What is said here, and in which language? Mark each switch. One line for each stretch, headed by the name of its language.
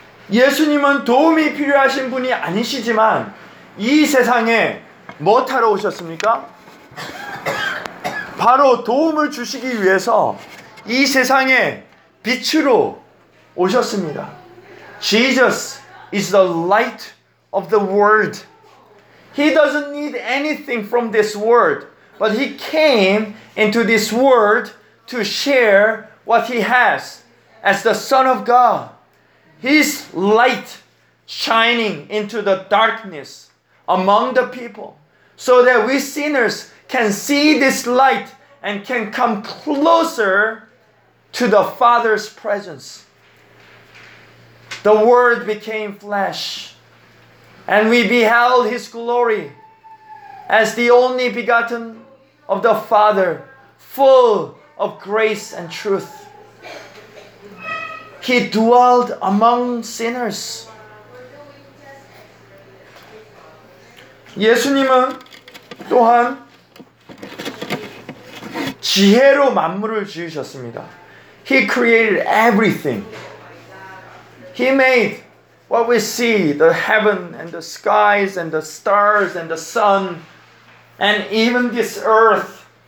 Korean: 예수님은 도움이 필요하신 분이 아니시지만 이 세상에 뭐 타러 오셨습니까? 바로 도움을 주시기 위해서 이 세상에 빛으로 오셨습니다.
English: Jesus is the light of the world. He doesn't need anything from this world, but he came into this world to share what he has as the Son of God. His light shining into the darkness among the people so that we sinners can see this light and can come closer to the Father's presence. The Word became flesh, and we beheld His glory as the only begotten of the Father, full of grace and truth. He dwelled among sinners.
Korean: 예수님은 또한 지혜로 만물을 지으셨습니다.
English: He created everything. He made what we see, the heaven and the skies and the stars and the sun and even this earth.